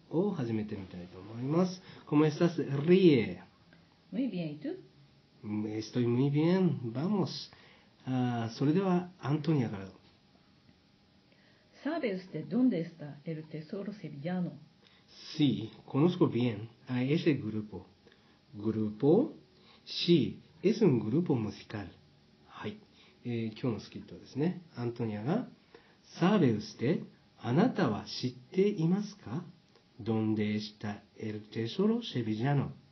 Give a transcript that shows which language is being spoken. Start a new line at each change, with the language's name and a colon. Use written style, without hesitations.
Japanese: を始めてみたいと思います。
Spanish: ¿Cómo estás, Rie? Muy bien, ¿y tú? Estoy muy bien. Vamos.
Japanese: それでは、アントニアから。
Spanish: ¿Sabe usted dónde está el tesoro sevillano? Sí, conozco bien a ese grupo. ¿Grupo? Sí, es un grupo musical. Hay.
Japanese: 今日のスキットですね。アントニアが
Spanish: ¿Sabe usted?
Japanese: あなたは知っていますか?
Spanish: ¿Dónde está el tesoro sevillano?